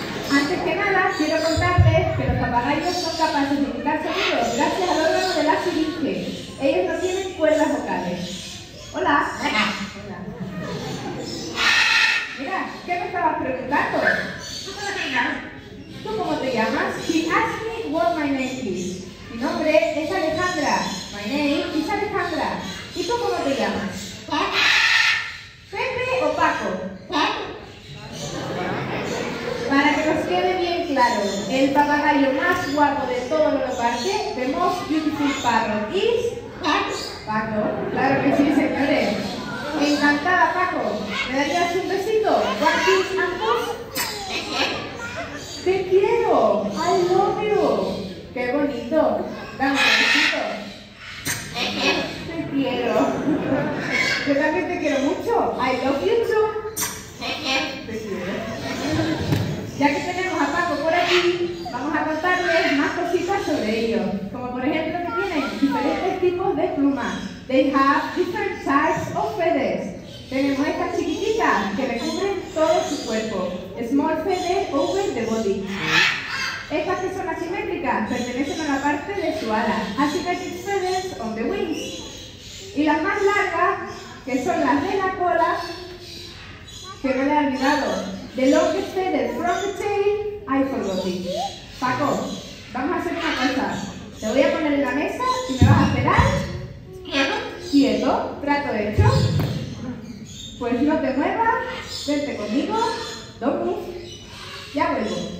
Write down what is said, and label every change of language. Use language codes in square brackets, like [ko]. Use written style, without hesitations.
[es] Antes que nada, quiero contarte que los papagayos son capaces de imitar sonidos gracias al órgano de la siringe. Ellos no tienen cuerdas vocales. Hola. Hola. Mira, ¿qué me estabas preguntando? ¿Tú cómo te llamas? ¿Tú cómo te llamas? [en] He asked me what my name is. [es] Mi nombre es Alejandra. [en] My name is [es] Alejandra. ¿Y tú cómo te llamas? Pepe. ¿Pepe o Paco? Claro, el papagayo más guapo de todo el parque, [en] the most beautiful parrot, is [es] Paco. Claro que sí, señores. Me encantaba, Paco. ¿Me darías un besito? [en] What is [es] Ambos? Te quiero. [en] I love you. [es] Qué bonito. Dame un besito. Te quiero. Yo también te quiero mucho. [en] I love you too. [es] Te quiero. Ya que tenemos a Paco por aquí, vamos a contarles más cositas sobre ellos. Como por ejemplo que tienen diferentes tipos de plumas. [en] They have different sizes of feathers. [es] Tenemos esta chiquitita que recubre todo su cuerpo. [en] Small feathers over the body. [es] Estas que son asimétricas pertenecen a la parte de su ala. [en] Asymmetric feathers on the wings. [es] Y las más largas, que son las de la cola, que no le he olvidado. [en] The longest feather from the tail, I forgot it. [es] Paco, vamos a hacer una cosa. Te voy a poner en la mesa y me vas a esperar. ¿Quieto? Quieto, trato hecho. Pues no te muevas, vente conmigo. Don't move. Ya vuelvo.